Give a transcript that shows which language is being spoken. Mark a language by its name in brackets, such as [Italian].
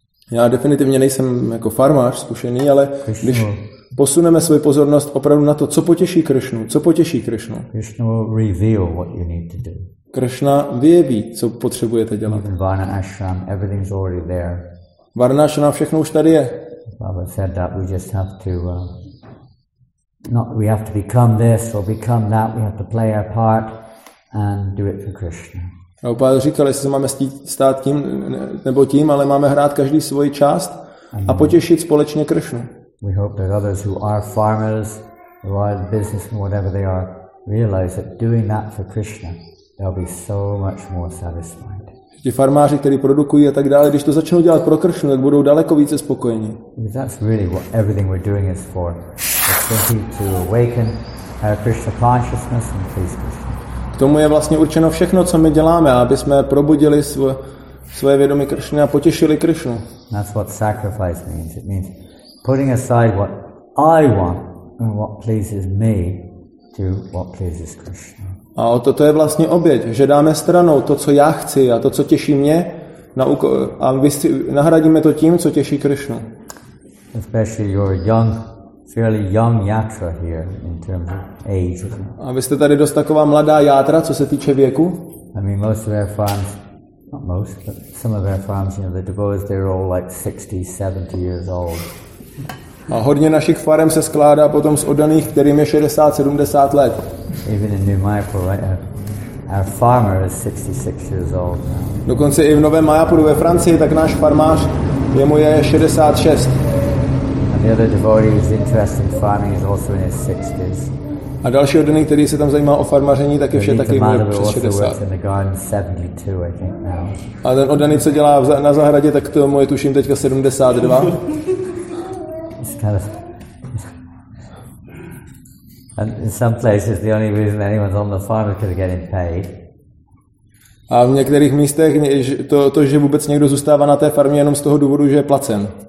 [Czech] Já definitivně nejsem jako farmář zkušený, ale když posuneme svou pozornost opravdu na to, co potěší Krishnu, co potěší Krishnu. [English] Krishna will reveal what you need to do. [Czech] Krishna vyjeví, co potřebujete dělat. [English] Even Varna Ashram, everything's already there. [Czech] Varna Ashram, všechno už tady je. [English] Prabhupada said that we just have to we have to become this or become that, we have to play our part and do it for Krishna. [Czech] Prabhupada říkal, jestli se máme stát tím nebo tím, ale máme hrát každý svoji část a potěšit společně Krishnu. [English] We hope that others who are farmers, who are in business, whatever they are, realize that doing that for Krishna, they'll be so much more satisfied. [Czech] Ti farmáři, kteří produkují a tak dále, když to začnou dělat pro Krishnu, tak budou daleko více spokojení. [English] That's really what everything we're doing is for. It's simply to awaken our Krishna consciousness and please Krishna. [Czech] K tomu je vlastně určeno všechno, co my děláme, aby jsme probudili svoje vědomí Krishny a potěšili Krishnu. [English] That's what sacrifice means. It means putting aside what I want and what pleases me to what pleases Krishna. [Czech] A to je vlastně oběť, že dáme stranou to, co já chci a to, co těší mě, a nahradíme to tím, co těší Krishnu. [English] Especially your young, fairly young yatra here in terms of age. [Czech] A vy jste tady dost taková mladá játra, co se týče věku? [English] I mean, most of our farms, not most, but some of our farms, the devotees, they're all like 60, 70 years old. [Czech] A hodně našich farem se skládá potom z oddaných, kterým je 60-70 let. [English] Even in New Mayapur, right? Our farmer is 66 years old now. [Czech] Dokonce i v Novém Mayapuru ve Francii, tak náš farmář, jemu je 66. [English] And the other devotee who's interested in farming is also in his 60s. [Czech] A další oddaný, který se tam zajímá o farmaření, tak je vše taky přes 60. [English] In the garden, 72, I think now. [Czech] A ten oddaný, co dělá na zahradě, tak tomu je tuším teďka 72. [English] And in some places the only reason anyone's on the farm is because they're getting paid. [Czech] A v některých místech to, že vůbec někdo zůstává na té farmě jenom z toho důvodu, že je placen.